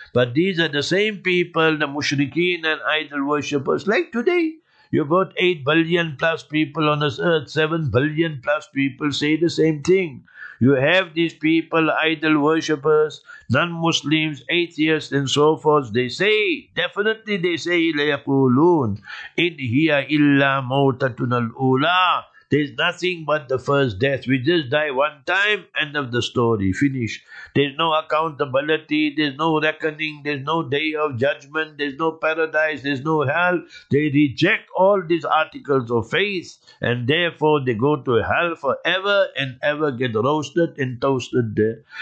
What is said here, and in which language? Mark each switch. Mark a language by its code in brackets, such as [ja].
[en] But these are the same people, the mushrikeen and idol worshippers, like today. You got 8 billion plus people on this earth, 7 billion plus people say the same thing. You have these people, idol worshippers, non-Muslims, atheists and so forth. They say, definitely they say, [ar] لَيَقُولُونَ إِنْ هِيَ إِلَّا مَوْتَتُنَا الْأُولَىٰ. [en] There's nothing but the first death. We just die one time, end of the story, finish. There's no accountability, there's no reckoning, there's no day of judgment, there's no paradise, there's no hell. They reject all these articles of faith, and therefore they go to hell forever and ever, get roasted and toasted there.